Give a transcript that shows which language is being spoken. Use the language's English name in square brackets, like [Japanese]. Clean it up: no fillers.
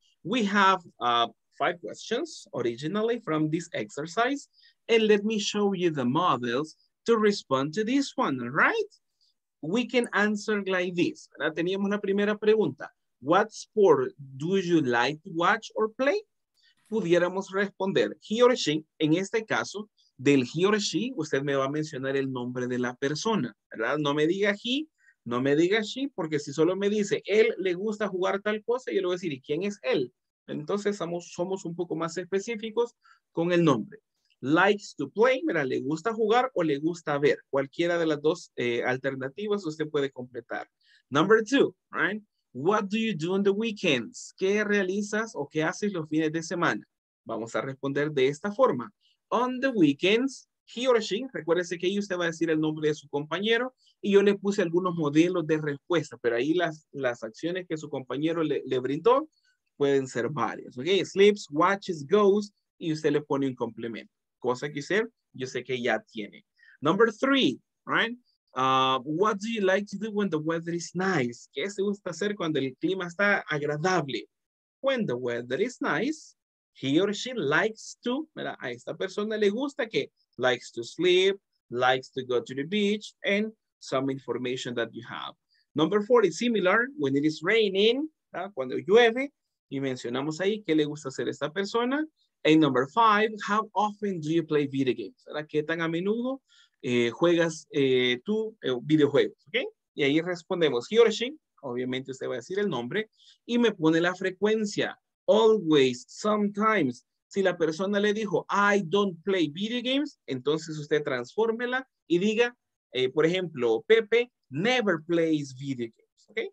[English] We have five questions originally from this exercise. And let me show you the models to respond to this one, right? We can answer like this. ¿Verdad? Teníamos la primera pregunta. What sport do you like to watch or play? [Spanish] Pudiéramos responder he or she. En este caso, del he or she, usted me va a mencionar el nombre de la persona, ¿verdad? No me diga he, no me diga she, porque si solo me dice él le gusta jugar tal cosa, yo le voy a decir, ¿y quién es él? Entonces somos un poco más específicos con el nombre. [English] Likes to play, [Spanish] mira, le gusta jugar o le gusta ver. Cualquiera de las dos alternativas usted puede completar. [English] Number two, right? What do you do on the weekends? [Spanish] ¿Qué realizas o qué haces los fines de semana? Vamos a responder de esta forma. [English] On the weekends, he or she, [Spanish] recuérdese que ahí usted va a decir el nombre de su compañero y yo le puse algunos modelos de respuesta, pero ahí las acciones que su compañero le brindó pueden ser varias. Okay, sleeps, watches, goes, y usted le pone un complemento. Cosa que usted, yo sé que ya tiene. [English] Number three, right? What do you like to do when the weather is nice? [Spanish] ¿Qué se gusta hacer cuando el clima está agradable? [English] When the weather is nice, he or she likes to, [Spanish] mira, a esta persona le gusta que [English] likes to sleep, likes to go to the beach, and some information that you have. Number four is similar, when it is raining, [Spanish] ¿verdad? Cuando llueve, y mencionamos ahí qué le gusta hacer a esta persona. [English] And number five, how often do you play video games? [Spanish] ¿Verdad? ¿Qué tan a menudo juegas tú videojuegos? ¿Okay? Y ahí respondemos, he or she, obviamente usted va a decir el nombre, y me pone la frecuencia, always, sometimes. Si la persona le dijo, [English] I don't play video games, [Spanish] entonces usted transfórmela y diga, por ejemplo, [English] Pepe never plays video games, [Spanish] ¿okay?